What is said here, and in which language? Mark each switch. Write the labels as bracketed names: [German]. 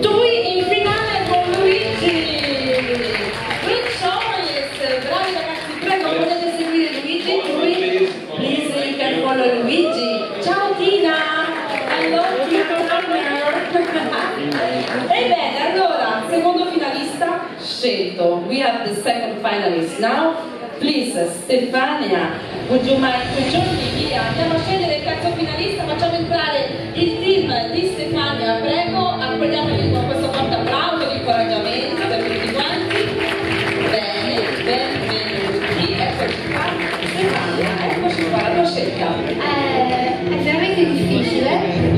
[Italian] Tui in finale con Luigi! [English] Good choice! [Italian] Bravi ragazzi, prego, potete seguire Luigi, Tui? [English] Please, you can follow Luigi. Ciao Tina! [Italian] Hello, Tito, come ebbene, allora, secondo finalista scelto. [English] We have the second finalist now. Please, Stefania, would you mind to join me here? [Italian] Andiamo a scegliere il terzo finalista, facciamo entrare il team di Stefania, prego, accogliamoli con questo forte applauso di incoraggiamento per tutti quanti. Bene, benvenuti, eccoci qua, Stefania, eccoci qua, la tua scelta. È veramente difficile.